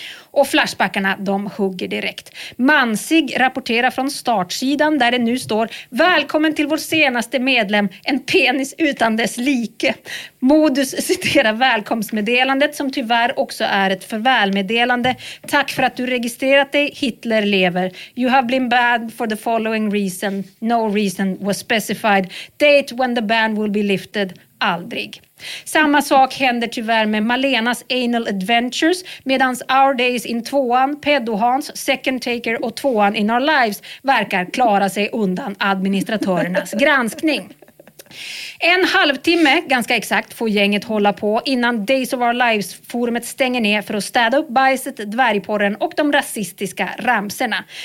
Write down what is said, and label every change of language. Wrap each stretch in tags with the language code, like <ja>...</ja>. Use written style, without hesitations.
<sv>Och flashbackarna, de hugger direkt. Mansig rapporterar från startsidan där det nu står: välkommen till vår senaste medlem, en penis utan dess like. Modus citerar välkomstmeddelandet som tyvärr också är ett farvälmeddelande. Tack för att du registrerat dig, Hitler lever.</sv> <en>You have been banned for the following reason. No reason was specified. Date when the ban will be lifted.</en> <sv>Aldrig. Samma sak händer tyvärr med Malenas Anal Adventures, medans Our Days in tvåan, Pedo Hans, Second Taker och tvåan in Our Lives verkar klara sig undan administratörernas granskning. En halvtimme, ganska exakt, får gänget hålla på innan Days of Our Lives-forumet stänger ner för att städa upp bajset, dvärgporren och de rasistiska ramserna.</sv>